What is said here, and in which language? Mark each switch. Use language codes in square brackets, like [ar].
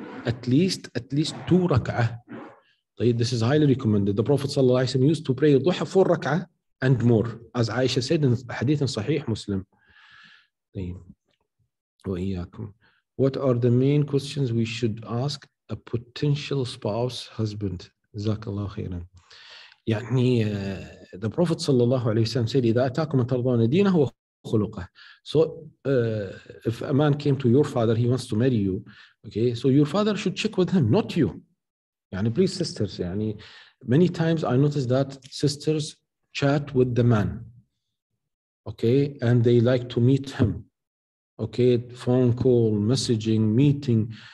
[en] At least two rak'ah. طيب, this is highly recommended. The Prophet صلى الله عليه وسلم used to pray Duha four rak'ah and more. As Aisha said in Hadith in Sahih Muslim. What are the main questions we should ask a potential spouse, husband? Jazakallah khairan. [ar] يعني, [en] the Prophet [ar] صلى الله عليه وسلم said, إذا أتاكم ترضون دينه وخلقه. [en] So if a man came to your father, he wants to marry you. Okay, so your father should check with him, not you. يعني, please sisters. يعني, many times I noticed that sisters chat with the man. Okay, and they like to meet him. Okay, phone call, messaging, meeting.